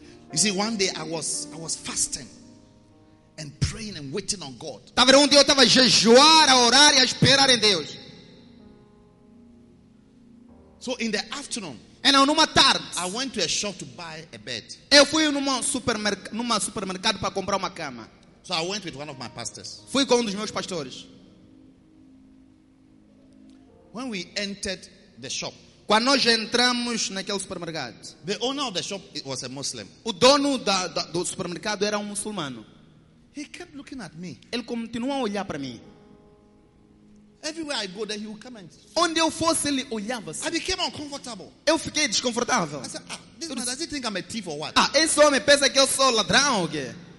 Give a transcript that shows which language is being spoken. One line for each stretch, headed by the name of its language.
English: You see, one day I was fasting and praying and waiting on God.
Portuguese: Tava um dia eu tava a jejuar, a orar e a esperar em Deus.
English: So in the afternoon, and on
Portuguese: uma tarde,
English: I went to a shop to buy a bed.
Portuguese: Eu fui numa supermercado para comprar uma cama.
English: So I went with one of my pastors.
Portuguese: Fui com um dos meus pastores.
English: When we entered the shop,
Portuguese: quando nós entramos naquele supermercado,
English: the owner of the shop was a Muslim.
Portuguese: O dono do supermercado era um muçulmano.
English: He kept looking at me.
Portuguese: Ele continuou a olhar para mim.
English: Everywhere I go, then he would come and.
Portuguese: Onde eu fosse, ele olhava.
English: I became uncomfortable.
Portuguese: Eu fiquei desconfortável.
English: I said, ah, this man, does he think I'm a thief or what?
Portuguese: Ah, esse homem pensa que eu sou ladrão ou quê?